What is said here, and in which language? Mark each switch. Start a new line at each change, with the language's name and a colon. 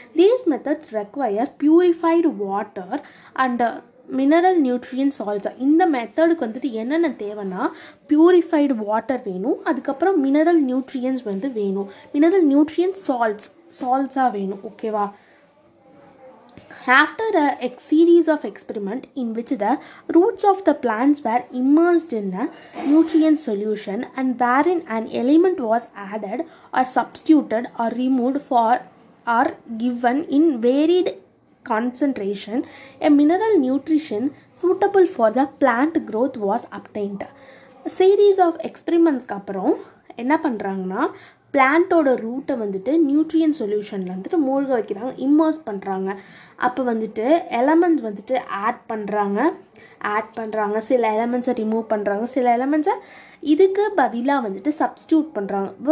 English: These method require purified water and mineral nutrients also.
Tamil: இந்த மெத்தடுக்கு வந்துட்டு என்னென்ன தேவைன்னா, பியூரிஃபைடு வாட்டர் வேணும், அதுக்கப்புறம் மினரல் நியூட்ரியன்ஸ் வந்து வேணும், மினரல் நியூட்ரியன்ஸ் சால்ட்ஸாக வேணும், ஓகேவா.
English: After a series of experiment in which the roots of the plants were immersed in a nutrient solution and wherein an element was added or substituted or removed for or given in varied concentration, a mineral nutrition suitable for the plant growth was obtained.
Tamil: Series of எக்ஸ்பெரிமெண்ட்ஸ்க்கு அப்புறம் என்ன பண்ணுறாங்கன்னா பிளான்ட்டோட ரூட்டை வந்துட்டு நியூட்ரியன் சொல்யூஷனில் வந்துட்டு மூழ்க வைக்கிறாங்க, immerse பண்ணுறாங்க. அப்போ வந்துட்டு எலமெண்ட்ஸ் வந்துட்டு ஆட் பண்ணுறாங்க சில எலமெண்ட்ஸை ரிமூவ் பண்ணுறாங்க, சில எலமெண்ட்ஸை இதுக்கு பதிலாக வந்துட்டு சப்ஸ்டியூட் பண்ணுறாங்க.